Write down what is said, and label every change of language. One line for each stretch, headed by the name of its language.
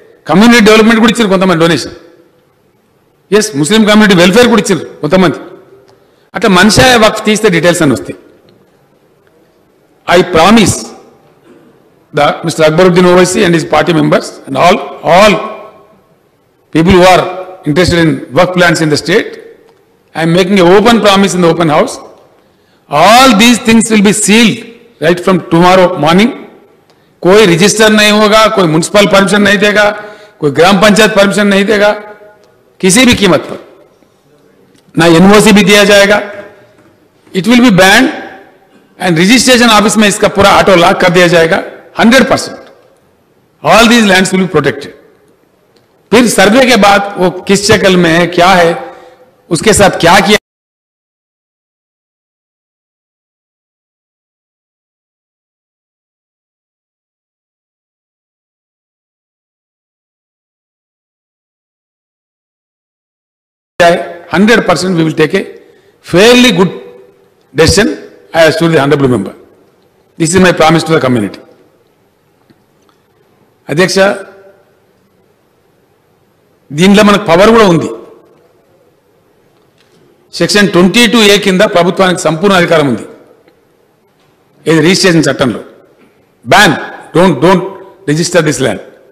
Telugu: Community development కూడా ఇచ్చారు కొంతమంది donation. Yes Muslim community welfare కూడా ఇచ్చారు కొంతమంది. అట్లా మనిషి వక్ఫ్ తీస్తే డీటెయిల్స్ అని వస్తాయి.
English: I promise the Mr Akbaruddin Owaisi and his party members and all people who are interested in Waqf plans in the state I am making an open promise in the open house. All these things will be sealed right from tomorrow morning.
Hindi: कोई register नहीं होगा, कोई municipal permission नहीं देगा, कोई ग्राम panchayat permission नहीं देगा, किसी भी कीमत पर ना एनओसी भी दिया जाएगा.
English: it will be banned and
Hindi: registration office में इसका पूरा ऑटो लॉक कर दिया जाएगा 100%.
English: All these lands will be protected.
Hindi: फिर सर्वे के बाद वो किस चक्कर में है, क्या है, उसके साथ क्या किया,
English: Hundred percent we will take a fairly good decision I assure to the honourable member. This is my promise to the community.
Telugu: अध्यक्ष దీనిలో మనకు పవర్ కూడా ఉంది. సెక్షన్ 22A కింద ప్రభుత్వానికి సంపూర్ణ అధికారం ఉంది. ఇది రిజిస్ట్రేషన్ చట్టంలో ban,
English: Don't register this land.